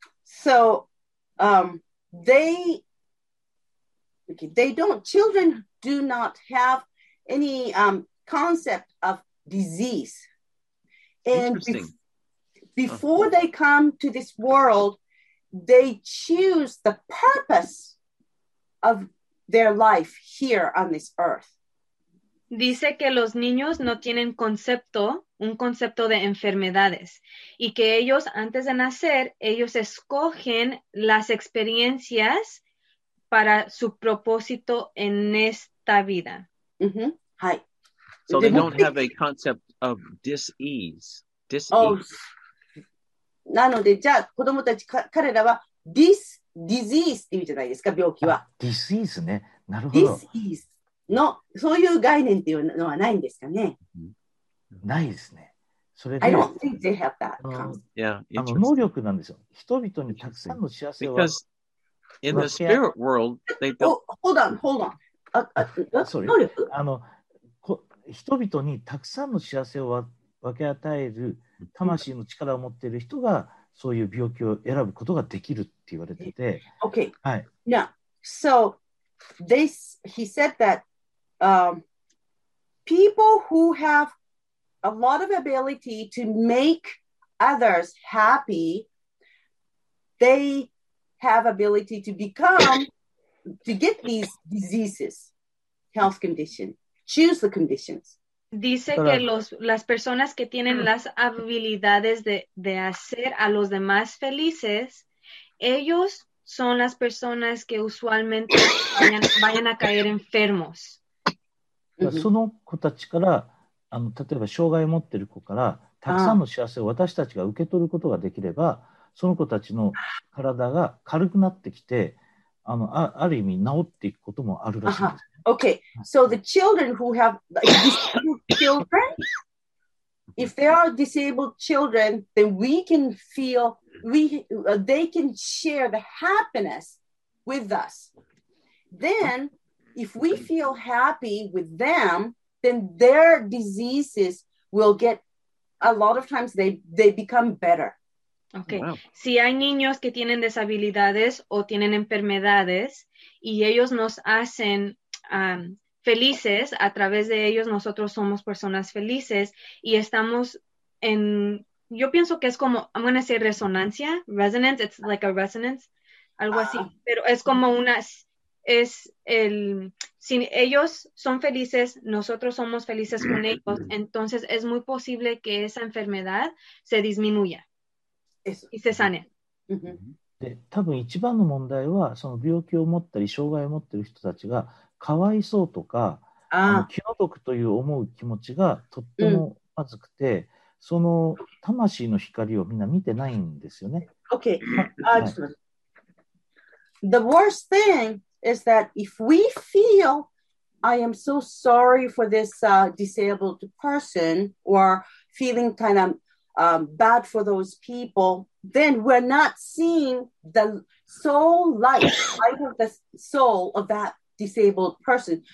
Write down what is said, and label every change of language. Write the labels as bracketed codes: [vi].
[en] So, children do not have any, concept of disease. Interesting. Before they come to this world, they choose the purpose of their life here on this earth. [es] Dice que los niños no tienen un concepto de enfermedades, y que ellos, antes de nacer, ellos escogen las experiencias para su propósito en esta vida. [en] Mm-hmm. Hi. So they don't have a concept of dis-ease. [ja] なのでじゃあ子供たち彼らは [en] this disease [ja] って意味じゃないですか病気は disease ねなるほど disease のそういう概念っていうのはないんですかねないですねそれ [en] で I don't think they have that concept. Yeah, [ja] 能力なんですよ人々にたくさんの幸せを [en] Because in the spirit world they don't Hold on [ja] Sorry 人々にたくさんの幸せを分け与える魂の力を持っている人がそういう病気を選ぶことができるって言われてて。 [en] Okay. [ja] はい。 [en] Now, so this he said that people who have a lot of ability to make others happy, they have ability to become to get these diseases, health condition, choose the conditions. [es] Dice que las personas que tienen las habilidades de hacer a los demás felices, ellos son las personas que usualmente vayan a caer enfermos. [ja] その子たちから、例えば障害を持っている子から、たくさんの幸せを私たちが受け取ることができれば、その子たちの体が軽くなってきて、ある意味治っていくこともあるらしいです。 [en] Okay, so the children who have disabled children, if they are disabled children, then they can share the happiness with us. Then, if we feel happy with them, then their diseases will get, a lot of times they become better. Okay, wow. [es] Si hay niños que tienen desabilidades o tienen enfermedades y ellos nos hacen... felices, a través de ellos nosotros somos personas felices y estamos en, yo pienso que es como, [en] I'm going to say [es] resonancia, [en] resonance, it's like a resonance, [es] algo así, pero es como unas, es el, si ellos son felices, nosotros somos felices con ellos, entonces es muy posible que esa enfermedad se disminuya Eso. Y se sane. [ja] で、多分一番の問題は、その病気を持ったり、障害を持っている人たちが、かわいそうとか、気の毒という思う気持ちがとってもまずくて、その魂の光をみんな見てないんですよね。 [en] Okay. The worst thing is that if we feel, I am so sorry for this disabled person, or feeling kind of bad for those people, then we're not seeing the soul light, light of the soul of that disabled person.